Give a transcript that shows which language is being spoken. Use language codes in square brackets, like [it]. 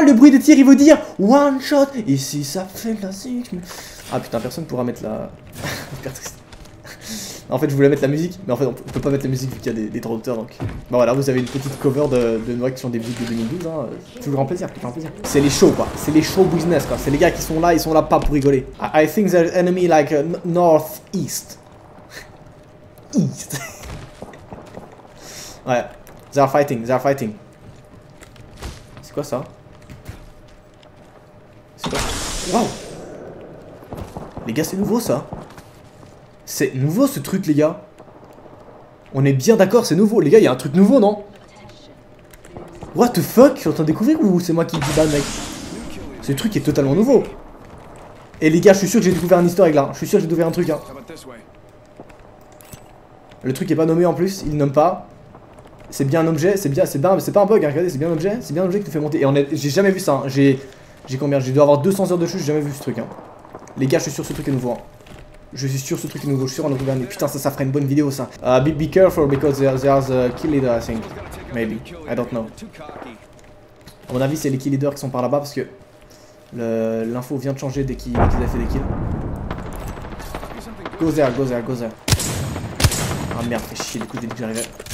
[fr] Le bruit des tirs, il veut dire one shot. Ici, ça fait la zigme. Ah, putain, personne pourra mettre la... Hyper triste. En fait, je voulais mettre la musique, mais en fait, on peut pas mettre la musique vu qu'il y a des traducteurs, donc... Bon, voilà, vous avez une petite cover de Noé qui sont des musiques de 2012, hein. Toujours un plaisir, toujours un plaisir. C'est les shows, quoi. C'est les shows business, quoi. C'est les gars qui sont là, ils sont là pas pour rigoler. [en] I think there's enemy like northeast. East. Ouais. They're fighting. [fr] C'est quoi, ça? C'est quoi? Waouh. Les gars, c'est nouveau, ça. C'est nouveau ce truc, les gars. On est bien d'accord, c'est nouveau. Les gars, il y a un truc nouveau, non? [en] What the fuck? [fr] Je suis en train de découvrir ou c'est moi qui dis bad, mec? Ce truc est totalement nouveau. Et les gars, je suis sûr que j'ai découvert un easter egg là. Je suis sûr que j'ai découvert un truc. Hein. Le truc est pas nommé en plus, il nomme pas. C'est bien un objet, c'est pas un bug, hein. Regardez, c'est bien un objet qui te fait monter. Et on est... j'ai jamais vu ça. Hein. J'ai combien? J'ai dû avoir 200 heures de chute, j'ai jamais vu ce truc. Hein. Les gars, je suis sûr que ce truc est nouveau. Hein. Je suis sûr ce truc est nouveau, je suis sûr on a gouverné. Putain, ça ferait une bonne vidéo, ça. [en] Be careful because there's a kill leader, I think. Maybe. I don't know. [fr] A mon avis, c'est les kill leaders qui sont par là-bas parce que l'info vient de changer dès qu'ils avaient fait des kills. [en] Go there. [fr] Ah merde, fais chier, du coup, dès que j'arrivais.